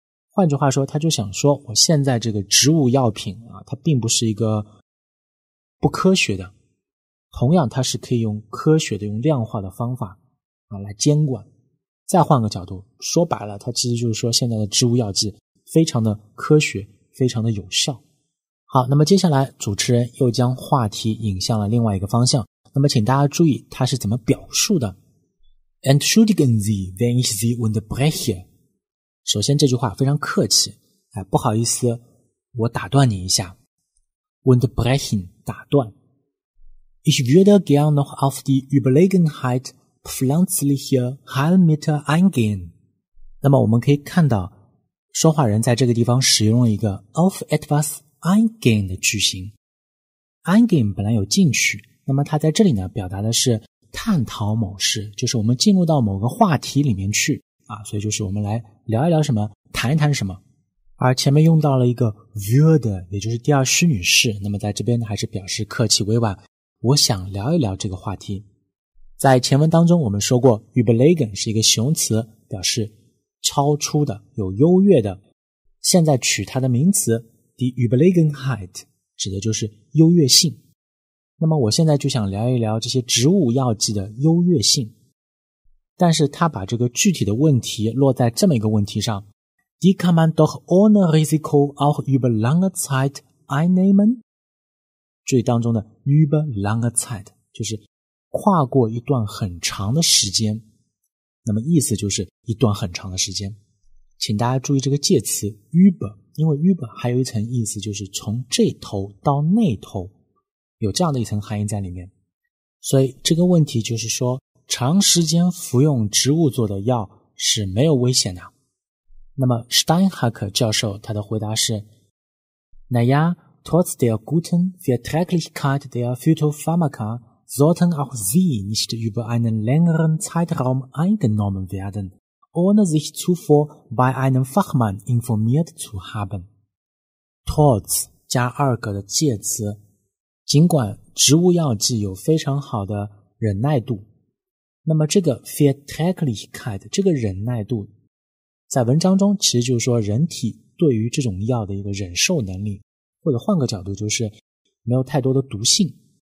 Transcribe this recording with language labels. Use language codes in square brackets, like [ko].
[zh] 换句话说，他就想说我现在这个植物药品啊，它并不是一个不科学的，同样它是可以用科学的用量化的方法啊来监管。再换个角度说白了，它其实就是说现在的植物药剂非常的科学，非常的有效。好，那么接下来主持人又将话题引向了另外一个方向，那么请大家注意它是怎么表述的。 [de] Entschuldigen Sie, wenn ich Sie unterbreche。 [zh] 首先这句话非常客气，哎，不好意思我打断你一下。 Unterbrechen 打断。 [de] Ich würde gern noch auf die Überlegenheit pflanzlicher Heilmittel eingehen。 [zh] 那么我们可以看到说话人在这个地方使用了一个 auf etwas eingehen 的句型。 eingehen 本来有进去，那么他在这里呢表达的是探讨某事，就是我们进入到某个话题里面去啊，所以就是我们来聊一聊什么，谈一谈什么。而前面用到了一个 würde， 也就是第二虚拟式，那么在这边还是表示客气委婉，我想聊一聊这个话题。在前文当中我们说过 überlegen 是一个形容词，表示超出的，有优越的。现在取它的名词 die Überlegenheit， 指的就是优越性。那么我现在就想聊一聊这些植物药剂的优越性。但是他把这个具体的问题落在这么一个问题上， [de] die kann man doch ohne Risiko auch über lange Zeit einnehmen。 [zh] 注意当中的 über lange Zeit 就是跨过一段很长的时间，那么意思就是一段很长的时间。请大家注意这个介词 über， 因为 über 还有一层意思，就是从这头到那头，有这样的一层含义在里面。所以这个问题就是说，长时间服用植物做的药是没有危险的。那么 Steinhacker 教授他的回答是， [de] Naja, trotz der guten Verträglichkeit der Phytopharmaka sollten auch sie nicht über einen längeren Zeitraum eingenommen werden, ohne sich zuvor bei einem Fachmann informiert zu haben. [zh] Trotz 加二个的介词，尽管植物药剂有非常好的忍耐度。那么这个 Verträglichkeit 这个忍耐度，在文章中其实就是说人体对于这种药的一个忍受能力，或者换个角度就是没有太多的毒性。